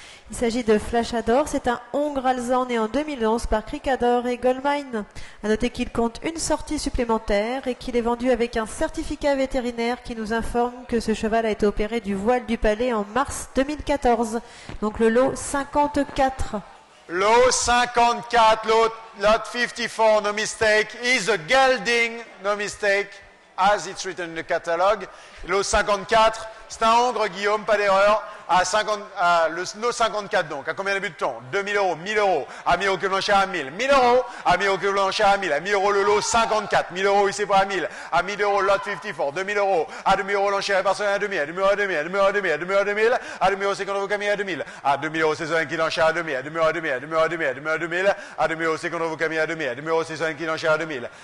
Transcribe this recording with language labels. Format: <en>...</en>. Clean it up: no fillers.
<fr>Il s'agit de Flashador. C'est un Hongre alsan né en 2011 par Cricador et Goldmine. À noter qu'il compte une sortie supplémentaire et qu'il est vendu avec un certificat vétérinaire qui nous informe que ce cheval a été opéré du voile du palais en mars 2014. Donc, le lot 54.</fr> <en>Lot 54, lot 54, no mistake, is a gelding, no mistake, as it's written in the catalogue.</en> <fr>Lot 54, c'est un Hongre, Guillaume, pas d'erreur, à 50, lot 54 donc, à combien de buts-t-on? 2000 euros, 1000 euros, à 1000 euros que l'enchère à 1000, 1000 euros, à 1000 euros que l'enchère à 1000, à 1000 euros le lot 54, 1000 euros ici pour à 1000, à 1000 euros lot 54, 2000 euros, à 2000 euros l'enchère personnel à 2000, à 2000 euros à 2000, à 2000 euros à 2000, à 2000 euros 2000, à 2000 euros c'est contre vous Camille à 2000, à 2000 euros c'est un qui l'enchère à 2000, à 2000 euros à 2000, à 2000 euros à 2000, à 2000 euros 2000, à 2000 euros c'est contre vous Camille à 2000, à 2000 euros c'est un qui l'enchère à 2000,</fr>